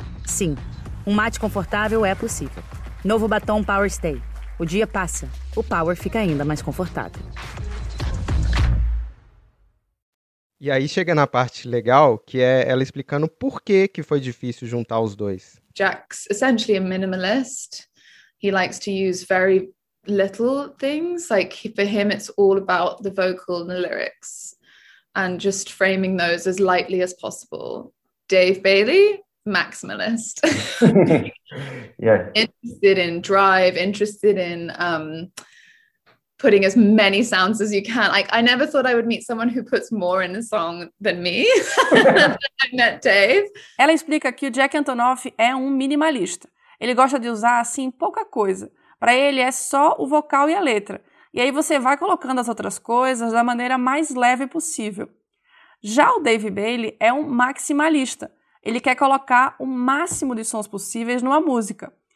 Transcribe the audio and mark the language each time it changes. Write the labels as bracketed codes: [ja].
[pt] Sim, um mate confortável é possível. Novo batom Power Stay. O dia passa, o Power fica ainda mais confortável. E aí chega na parte legal, que é ela explicando por que foi difícil juntar os dois. [en] Jack's essentially a minimalist. He likes to use very little things. Like, for him, it's all about the vocal and the lyrics. And just framing those as lightly as possible. Dave Bailey, maximalist. Yeah. Interested in drive, interested in... putting as many sounds as you can. Like, I never thought I would meet someone who puts more in a song than me. I met Dave. [pt] Ela explica que o Jack Antonoff é um minimalista. Ele gosta de usar, assim, pouca coisa. Para ele, é só o vocal e a letra. E aí você vai colocando as outras coisas da maneira mais leve possível. Já o Dave Bailey é um maximalista. Ele quer colocar o máximo de sons possíveis numa música.